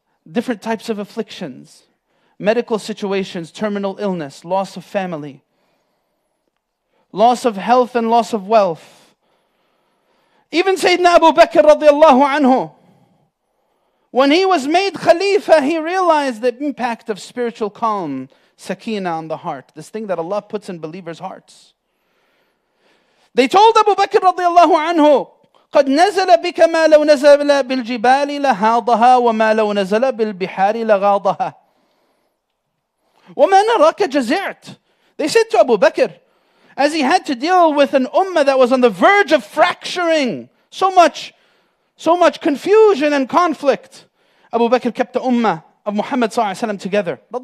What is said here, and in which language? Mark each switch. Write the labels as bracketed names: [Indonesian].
[English] Different types of afflictions, medical situations, terminal illness, loss of family, loss of health and loss of wealth. Even Sayyidina Abu Bakr radiallahu anhu, when he was made Khalifa, he realized the impact of spiritual calm, sakina on the heart, this thing that Allah puts in believers' hearts. They told Abu Bakr radiallahu anhu, [Arabic] قَدْ نَزَلَ بِكَ مَا لَوْ نَزَلَ بِالْجِبَالِ لَهَاضَهَا وَمَا لَوْ نَزَلَ بِالْبِحَارِ لَغَاضَهَا وَمَا نَرَاكَ جَزِعْتَ. [English] They said to Abu Bakr, as he had to deal with an ummah that was on the verge of fracturing, so much confusion and conflict, Abu Bakr kept the ummah of Muhammad ﷺ together.